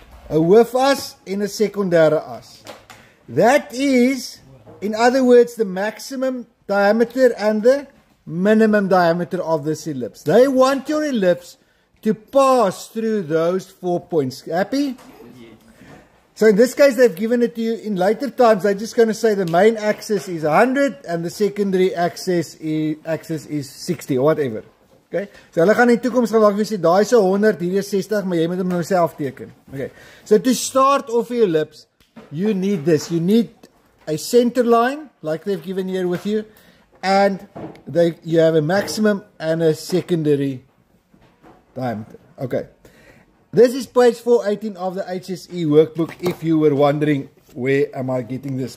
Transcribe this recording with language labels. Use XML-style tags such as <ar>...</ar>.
<en>A with us and a secondary us. That is, in other words, the maximum diameter and the minimum diameter of this ellipse. They want your ellipse to pass through those 4 points. Happy? So in this case, they've given it to you. In later times, they're just going to say the main axis is 100 and the secondary axis is 60 or whatever. Okay?</en> <af>So hulle gaan in die toekoms gaan wees, die is 100, hier is 60, maar jy moet hom nou self teken.</af> <en>Okay. So to start off your ellipse, you need this. You need a center line, like they've given here with you, and you have a maximum and a secondary diameter. Okay. This is page 418 of the HSE workbook, if you were wondering where am I getting this.</en>